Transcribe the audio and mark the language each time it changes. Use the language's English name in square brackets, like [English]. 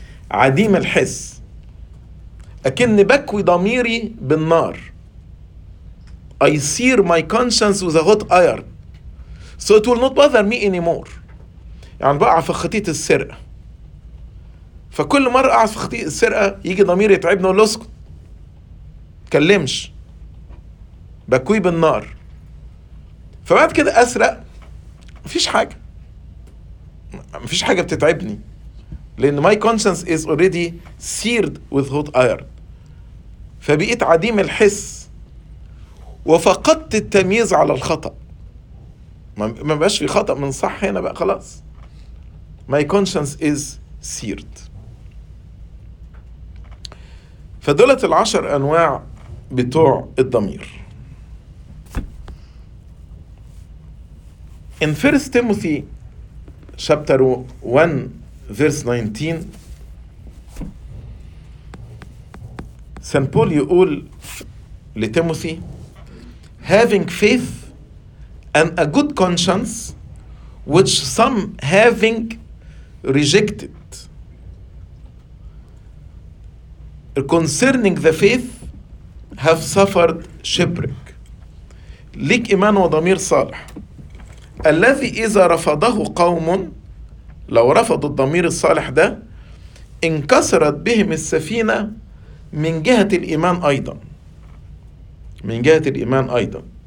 [Arabic] عديم الحس، أكن بكوي ضميري بالنار. [English] I sear my conscience with a hot iron, so it will not bother me anymore. [Arabic] يعني بقع في خطية السرقة، فكل مرة أقع في خطية السرقة يجي ضميري يتعبني ولا أسكت تكلمش، بكوي بالنار. فبعد كده أسرق مفيش حاجة، مفيش حاجة بتتعبني، لأن [English] my conscience is already seared with hot iron. [Arabic] فبقيت عديم الحس وفقدت التمييز على الخطأ، ما بقاش في خطأ من صح هنا بقى خلاص. [English] My conscience is seared. [Arabic] فدولت العشر أنواع بتوع الضمير. [English] In 1 Timothy chapter 1 verse 19 Saint Paul [Arabic] يقول لتيموثي [English] having faith and a good conscience which some having rejected concerning the faith have suffered shipwreck. [Arabic] ليك إيمان وضمير صالح الذي إذا رفضه قوم، لو رفضوا الضمير الصالح ده انكسرت بهم السفينة من جهة الإيمان أيضا، من جهة الإيمان أيضا.